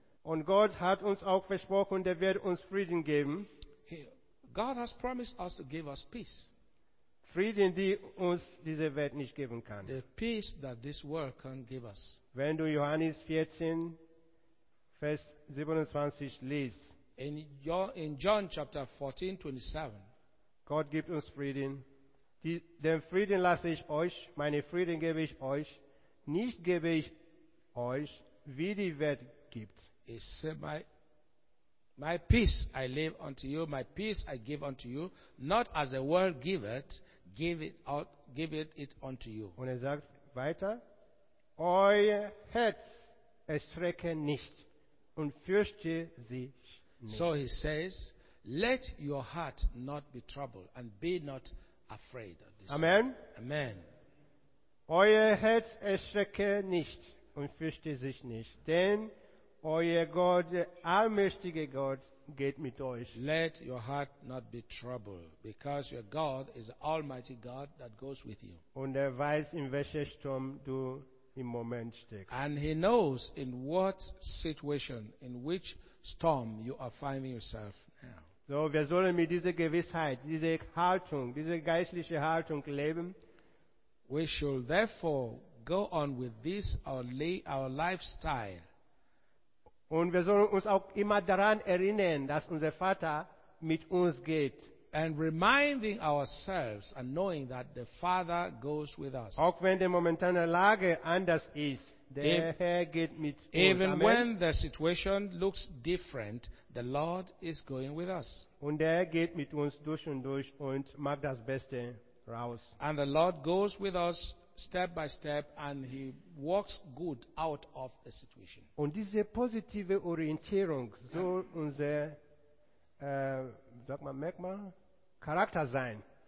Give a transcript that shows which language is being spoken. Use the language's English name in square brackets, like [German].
[German] Und Gott hat uns auch versprochen, der wird uns Frieden geben. [English] God has promised us to give us peace. [German] Frieden, die uns diese Welt nicht geben kann. [English] The peace that this world can't give us. [German] Wenn du Johannes 14, Vers 27 liest. [English] In John chapter 14, 27. [German] Gott gibt uns Frieden. Den Frieden lasse ich euch, meine Frieden gebe ich euch, nicht gebe ich euch, wie die Welt gibt. [English] It said, my peace I leave unto you, my peace I give unto you, not as the world giveth, give it unto you. [German] Und sagt weiter, euer Herz erschrecke nicht und fürchte sich nicht. [English] So he says, let your heart not be troubled and be not afraid. Amen. Amen. [German] Euer Herz erschrecke nicht und fürchte sich nicht, denn euer Gott, der allmächtige Gott, geht mit euch. [English] Let your heart not be troubled, because your God is the almighty God that goes with you. [German] Und er weiß, in welcher Sturm du im Moment steckst. [English] And he knows in what situation, in which storm you are finding yourself now. [German] So, wir sollen mit dieser Gewissheit, dieser Haltung, dieser geistliche Haltung leben. [English] We should therefore go on with this our lifestyle. [German] Und wir sollen uns auch immer daran erinnern, dass unser Vater mit uns geht. [English] And reminding ourselves and knowing that the Father goes with us. [German] Auch wenn die momentane Lage anders ist, Herr geht mit uns. [English] Even Amen. When the situation looks different, the Lord is going with us. [German] Und er geht mit uns durch und durch und macht das Beste raus. [English] And the Lord goes with us step by step, and he works good out of the situation. [German] Und diese positive Orientierung soll unser Charakter sein.